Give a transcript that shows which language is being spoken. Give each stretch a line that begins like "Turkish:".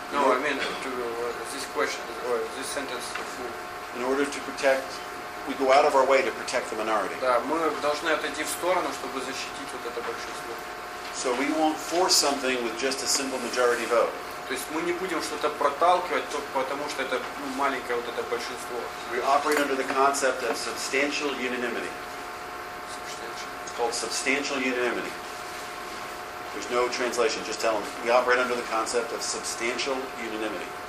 English: No, I mean this question or this sentence. In order to protect, we go out of our way to protect the minority.
Russian: Да, мы должны отойти в сторону, чтобы защитить вот это большинство.
English: So we won't force something with just a simple majority vote.
Russian: То есть мы не будем что-то проталкивать только потому, что это маленькое вот это большинство.
English: We operate under the concept of substantial unanimity. Called substantial unanimity. There's no translation, just tell them. We operate under the concept of substantial unanimity.